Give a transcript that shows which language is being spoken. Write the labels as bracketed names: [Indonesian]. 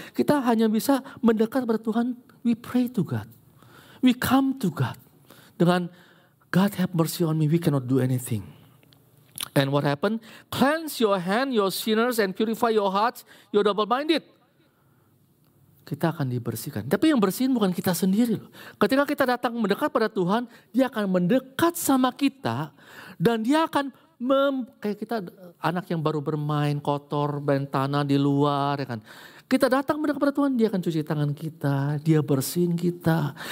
[Indonesian] Kita hanya bisa mendekat kepada Tuhan. [English] We pray to God. We come to God. [Indonesian] Dengan [English] God have mercy on me, we cannot do anything. And what happened? Cleanse your hand, your sinners, and purify your hearts, your double-minded. [Indonesian] Kita akan dibersihkan. Tapi yang bersihin bukan kita sendiri loh. Ketika kita datang mendekat pada Tuhan, dia akan mendekat sama kita, dan dia akan kayak kita anak yang baru bermain kotor, main tanah di luar, ya kan? Kita datang mendekat pada Tuhan, dia akan cuci tangan kita, dia bersihin kita.